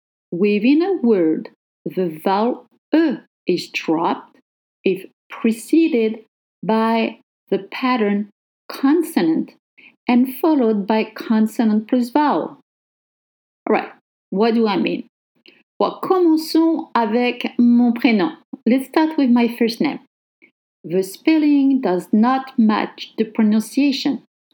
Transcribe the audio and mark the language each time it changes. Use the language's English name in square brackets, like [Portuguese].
[English] Within a word, the vowel E is dropped if preceded by the pattern consonant and followed by consonant plus vowel. Alright, what do I mean? [French] Well, commençons avec mon prénom. [English] Let's start with my first name. The spelling does not match the pronunciation.